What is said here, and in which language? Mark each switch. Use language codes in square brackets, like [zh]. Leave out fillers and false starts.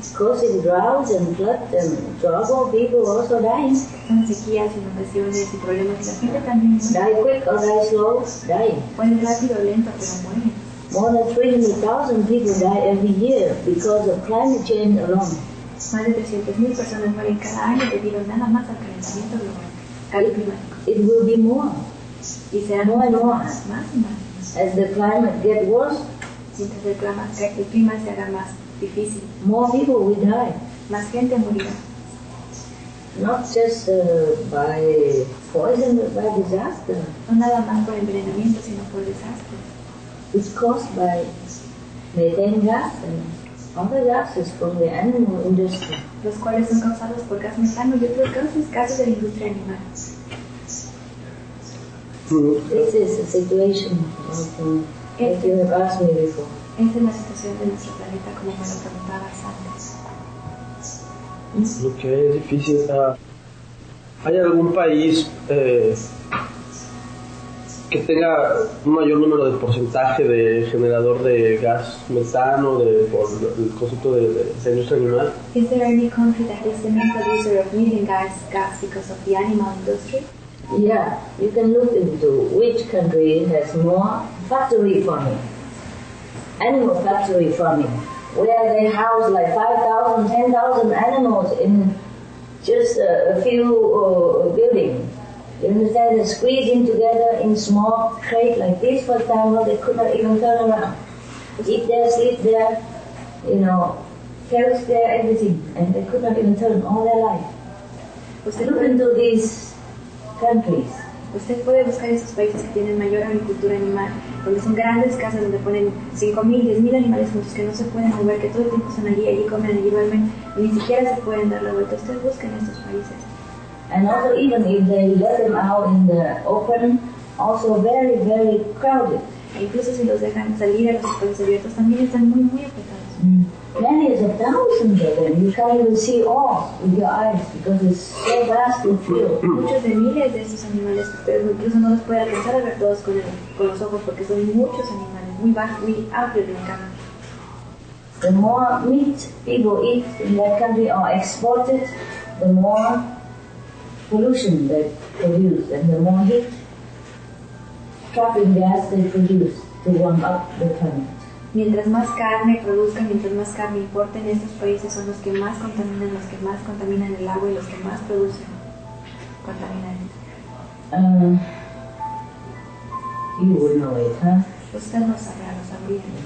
[en] Causing droughts and floods and trouble, people also dying. [es] Son sequías, inundaciones y problemas. La gente también muere. [en] Die quick or die slow, die. [es] Pueden rápido o lento, pero mueren. [en] More than 300,000 people die every year because of climate change alone. [es] Más de 300,000 personas mueren cada año debido nada más al calentamiento global, cambio climático. [en] It will be more. [es] Y será [en] more and more. [es] Más. [en] As the climate gets worse, [es] mientras el clima se haga más difícil. [en] More people will die. [es] Más gente morirá. [en] Not just by poison, but by disaster. [es] No nada más por envenenamiento, sino por desastre. [en] It's caused by methane gas and other gases from the animal industry. [es] Los cuales son causados por gas metano y otros gases, gases de la industria animal. [en] This is the situation of what you have asked me before. [es] Esta es la situación de nuestro planeta como me lo preguntabas antes. Lo que hay es difícil. ¿Hay algún país que tenga un mayor número de porcentaje de generador de gas metano por el concepto de industria animal? [en] Is there any country that is the main producer of methane gas because of the animal industry? Yeah, you can look into which country has more factory farming, animal factory farming, where they house like 5,000, 10,000 animals in just a few buildings. You understand, they're squeezing together in small crate like this, for example, they could not even turn around. Eat there, sleep there, you know, carriage there, everything, and they could not even turn all their life. Look into these countries. [es] Usted puede buscar esos países que tienen mayor agricultura animal, donde son grandes casas donde ponen 5,000, 10,000 animales juntos que no se pueden mover, que todo el tiempo están allí, allí comen, allí duermen, y ni siquiera se pueden dar la vuelta. Usted busca en estos países. [en] And also, even if they let them out in the open, also very, very crowded. [es] E incluso si los dejan salir a los espacios abiertos, también están muy, muy apretados. [en] Many is a thousand of them. You can't even see all with your eyes because it's so vast and filled. [es] Muchos de miles de esos animales, ustedes incluso no los pueden alcanzar a ver todos con los ojos porque son muchos animales, muy vastos, muy amplios en cama. [en] The more meat people eat in that country or exported, the more pollution they produce and the more heat trapping gas they produce to warm up the planet. [es] Mientras más carne produzcan, mientras más carne importen, estos países son los que más contaminan el agua y los que más producen contaminantes. [en] You would know it, huh? [es] Usted no sabrá, lo sabría.